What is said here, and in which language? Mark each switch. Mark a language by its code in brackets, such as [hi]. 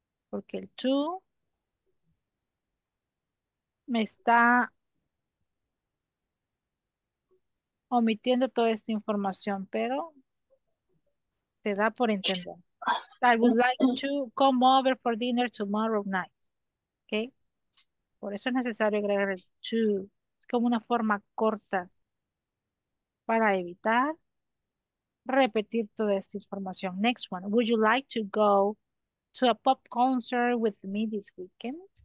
[es] Porque el to me está omitiendo toda esta información, pero se da por entender. [en] I would like to come over for dinner tomorrow night. [es] Okay. Por eso es necesario agregar el to. Es como una forma corta para evitar repetir toda esta información. [en] Next one. Would you like to go to a pop concert with me this weekend?